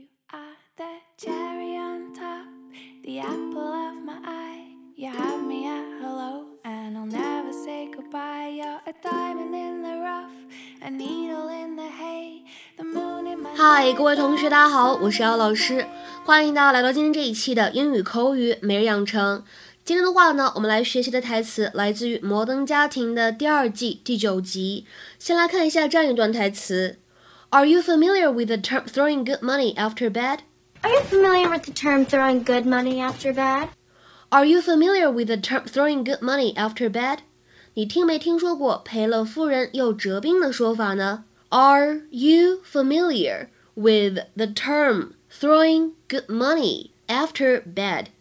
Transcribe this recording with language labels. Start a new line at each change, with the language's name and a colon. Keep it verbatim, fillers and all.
English: are the cherry on top, the apple of my eye. You have me at hello, and I'll never say goodbye. You're a diamond in the rough, a needle in the hay, the moon in my
Chinese: 嗨，各位同学，大家好，我是姚老师，欢迎大家来到今天这一期的英语口语每日养成。今天的话呢，我们来学习的台词来自于《摩登家庭》的第二季第九集。先来看一下这样一段台词。
English: Are you familiar with the term throwing good money after bad? Are you familiar with the term throwing good money after bad? Are you familiar with the term throwing good money after bad?
Chinese: 你听没听说过赔了夫人又折兵的说法呢？
English: Are you familiar with the term throwing good money after bad?